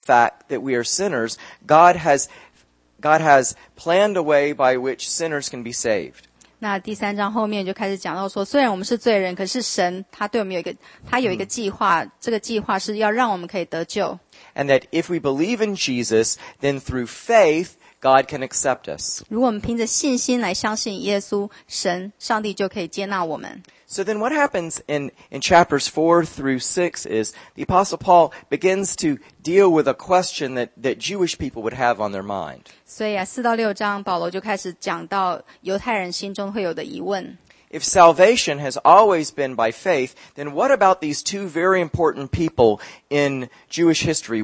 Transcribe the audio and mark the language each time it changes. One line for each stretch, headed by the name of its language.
English: fact that we are sinners, God has planned a way by which sinners can be saved.
Chinese: 那第三章后面就开始讲到说，虽然我们是罪人，可是神他对我们有一个计划，这个计划是要让我们可以得救。
English: And that if we believe in Jesus, then through faith, God can accept us.
Chinese: 如果我们凭着信心来相信耶稣，神，上帝就可以接纳我们。
English: So then what happens in chapters 4 through 6 is the Apostle Paul begins to deal with a question that Jewish people would have on their mind.
Chinese: 所以啊, 4到6章, 保罗就开始讲到犹太人心中会有的疑问。
English: If salvation has always been by faith, then what about these two very important people in Jewish history?